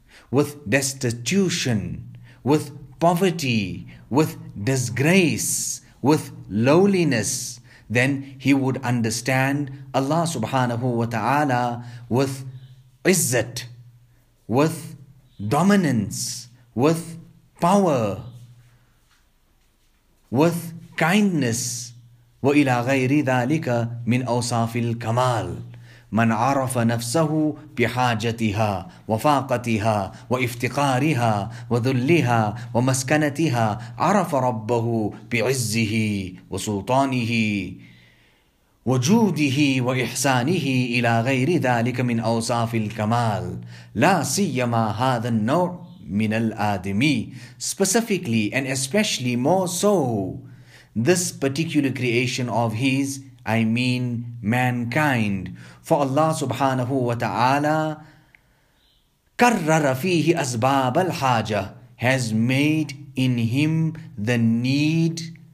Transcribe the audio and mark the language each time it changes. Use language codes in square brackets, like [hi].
[en] with destitution, with poverty, with disgrace, with lowliness, then he would understand Allah subhanahu wa ta'ala with izzat, with dominance, with power, with kindness, [ar] وَإِلَىٰ غَيْرِ ذَٰلِكَ مِنْ أَوْصَافِ الْكَمَالِ, من عرف نفسه بحاجتها وفاقتها وافتقارها وذلها ومسكنتها عرف ربه بعزه وسلطانه وجوده وإحسانه إلى غير ذلك من أوصاف الكمال لا سيما هذا النوع من الآدمي. [en] Specifically and especially more so this particular creation of his, I mean mankind. For Allah subhanahu wa ta'ala [ar] كرر فيه أسباب الحاجة, [en] has made in him the need.